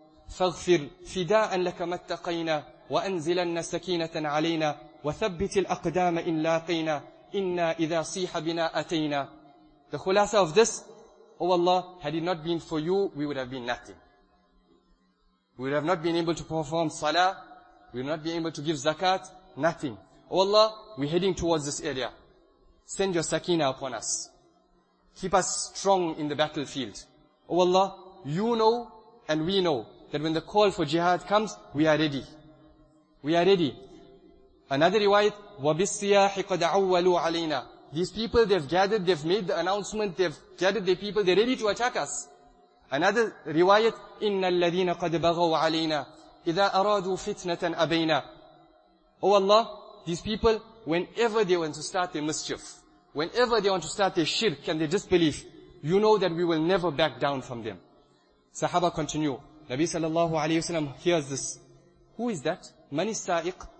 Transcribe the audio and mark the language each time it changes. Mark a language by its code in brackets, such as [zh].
[ar] فاغفر فداء لك ما اتقينا وأنزلن سكينة علينا وثبت الأقدام إن لاقينا إنا إذا صيح بنا أتينا. [en] The khulasa of this, oh Allah, had it not been for you, we would have been nothing. We would have not been able to perform salah, we would not be able to give zakat, nothing. Oh Allah, we're heading towards this area. Send your sakina upon us. Keep us strong in the battlefield. Oh Allah, you know and we know that when the call for jihad comes, we are ready. We are ready. Another riwayat, [ar] وَبِالصِّيَاحِ قَدْ عَوَّلُوا عَلَيْنَا. [en] These people, they've gathered, they've made the announcement, they've gathered their people, they're ready to attack us. Another riwayat, [ar] إِنَّ الَّذِينَ قَدْ بَغَوْا عَلَيْنَا إِذَا أَرَادُوا فِتْنَةً أَبَيْنَا. [en] Oh Allah, these people, whenever they want to start their mischief, whenever they want to start their shirk and their disbelief, you know that we will never back down from them. Sahaba continue. Nabi sallallahu alayhi wa sallam hears this. Who is that? Man is-sa'iq?